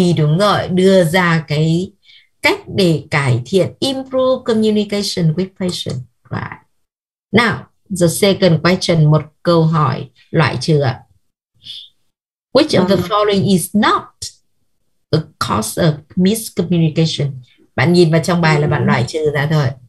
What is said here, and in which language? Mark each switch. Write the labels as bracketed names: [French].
[Vietnamese] đúng rồi, đưa ra cái cách để cải thiện, [English] improve communication with patient. Right. Now, the second question, [Vietnamese] một câu hỏi loại trừ ạ. [English] Which of the following is not a cause of miscommunication? [Vietnamese] Bạn nhìn vào trong bài là bạn loại trừ ra thôi.